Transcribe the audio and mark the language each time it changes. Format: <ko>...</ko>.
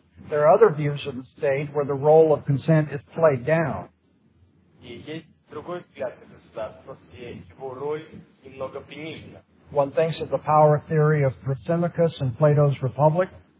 <en>There are other views of the state where the role of consent is played down.</en> <ru>Другой взгляд на государство, его роль немного принижена.</ru> <en>One thinks of the power theory of Thrasymachus and Plato's Republic.</en>